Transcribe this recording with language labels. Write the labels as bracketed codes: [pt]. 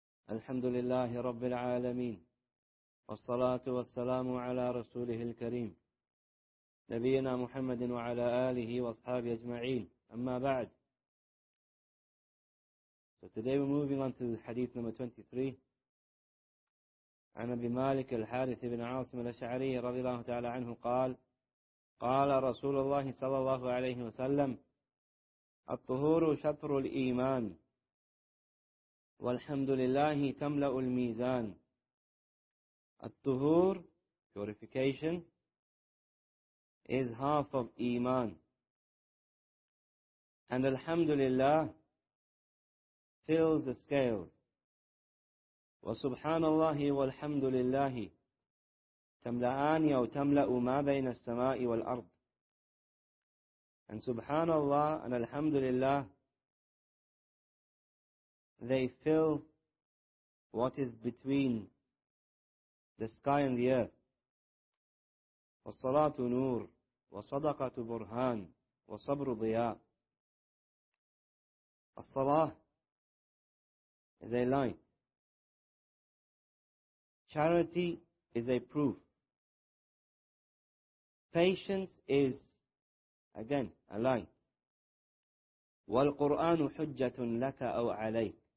[ar] الحمد لله رب العالمين، والصلاة والسلام على رسوله الكريم نبينا محمد وعلى آله وأصحابه أجمعين. أما بعد، [en] so today we're moving on to hadith number 23. [ar] عن أبي مالك الحارث بن عاصم الأشعري رضي الله تعالى عنه قال: قال رسول الله صلى الله عليه وسلم: الطهور شطر الإيمان، والحمد لله تملأ الميزان. [en] الطهور purification is half of إيمان، and الحمد لله fills the scales. [ar] وسبحان الله والحمد لله تملأان أو تملأ ما بين السماء والأرض. [en] And سبحان الله and الحمد لله they fill what is between the sky and the earth. [ar] والصلاة نور وصدقة برهان وصبر ضياء. [en] الصلاة is a light. Charity is a proof. Patience is, again, a light. [ar] والقرآن حجة لك أو عليك.